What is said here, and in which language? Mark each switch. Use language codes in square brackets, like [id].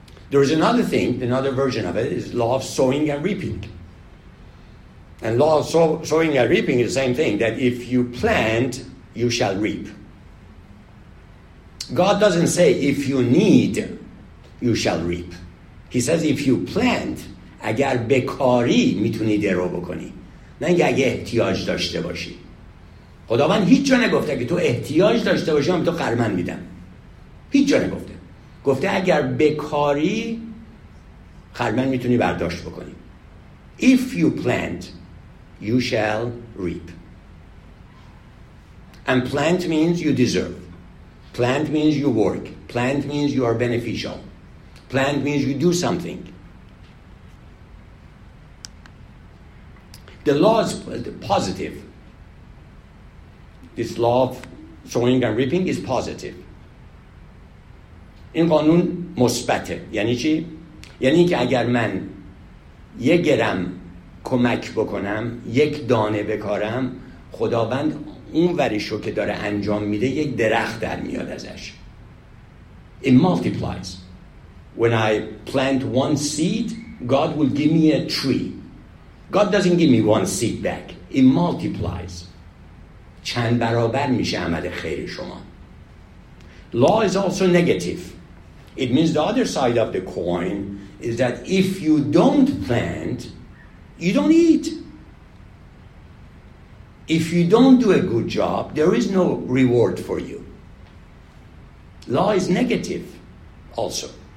[en] There is another thing, another version of it, is law of sowing and reaping. And law of sowing and reaping is the same thing, that if you plant, you shall reap. God doesn't say, if you need, you shall reap. He says, if you plant, [fa] اگر بکاری میتونی درو بکنی. نه اگه احتیاج داشته باشی. خداوند هیچ جا نگفته که تو احتیاج داشته باشی هم تو قرمن میدم. هیچ جا نگفته. گفته اگر بکاری قرمن میتونی برداشت بکنی. [en] If you plant, you shall reap. And plant means you deserve. Plant means you work. Plant means you are beneficial. Plant means you do something. The law is positive. This law of sowing and reaping is positive. [fa] این قانون مثبته. یعنی چی؟ یعنی که اگر من یک گرم کمک بکنم، یک دانه بکارم، خداوند اون ورشو که داره انجام میده یک درخت در میاد ازش. [en] It multiplies. When I plant one seed, God will give me a tree. God doesn't give me one seed back. It multiplies. [fa] چند برابر میشه عمل خیر شما. [en] Law is also negative. It means the other side of the coin is that if you don't plant, you don't eat. If you don't do a good job, there is no reward for you. Law is negative also.